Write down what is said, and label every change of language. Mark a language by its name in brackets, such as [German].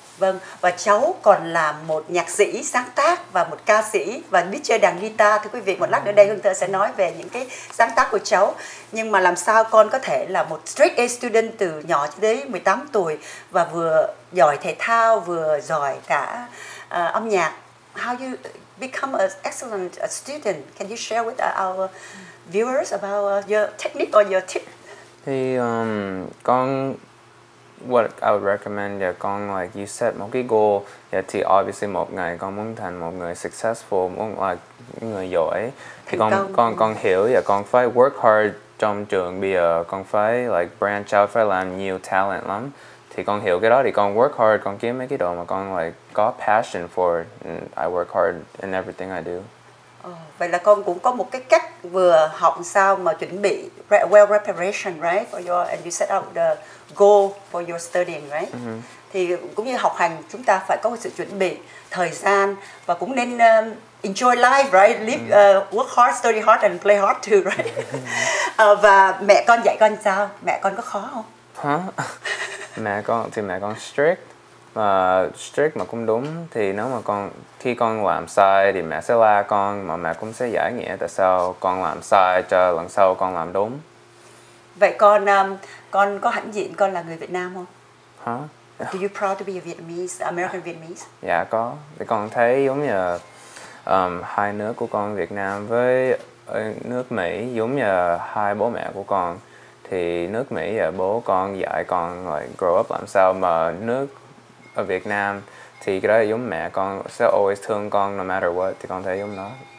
[Vietnamese] Vâng, và cháu còn là một nhạc sĩ sáng tác và một ca sĩ và biết chơi đàn guitar, thưa quý vị. Một lát nữa đây Hương Thơ sẽ nói về những cái sáng tác của cháu. Nhưng mà làm sao con có thể là một [English] straight A student [Vietnamese] từ nhỏ tới 18 tuổi và vừa giỏi thể thao, vừa giỏi cả âm nhạc? [English] How you become an excellent student? Can you share with our viewers about your technique or your tip? [Vietnamese] Thì con... [English] What I would recommend, [Vietnamese] yeah, con, like, [English] you set [Vietnamese] một cái goal, yeah, thì obviously một ngày con muốn thành một người successful, muốn, like, người giỏi. Thì con hiểu, yeah, con phải [English] work hard [Vietnamese] trong trường bây giờ, con phải, like, [English] branch out, [Vietnamese] phải làm nhiều talent lắm. Thì con hiểu cái đó, thì con work hard, con kiếm mấy cái đồ mà con, like, có [English] passion for it, and I work hard in everything I do. [Vietnamese] Vậy là con cũng có một cái cách vừa học sao mà chuẩn bị [English] well preparation, right, for your, and you set up the goal for your studying, right? Mm-hmm. [Vietnamese] Thì cũng như học hành, chúng ta phải có sự chuẩn bị thời gian và cũng nên [English] enjoy life, [Vietnamese] right? [English] Live, work hard, study hard and play hard too, right? [Vietnamese] Và mẹ con dạy con sao? Mẹ con có khó không? Hả? Mẹ con thì mẹ con strict. Strict mà cũng đúng, thì nếu mà con khi con làm sai thì mẹ sẽ la con, mà mẹ cũng sẽ giải nghĩa tại sao con làm sai cho lần sau con làm đúng. Vậy con có hãnh diện con là người Việt Nam không? Hả? Yeah. [English] Do you proud to be a Vietnamese, American Vietnamese? [Vietnamese] Dạ có, thì con thấy giống như hai nước của con Việt Nam với nước Mỹ giống như hai bố mẹ của con. Thì nước Mỹ và bố con dạy con [English] like grow up [Vietnamese] làm sao, mà nước ở Việt Nam thì cái đó giống mẹ con sẽ always thương con [English] no matter what, [Vietnamese] thì con thấy giống nó.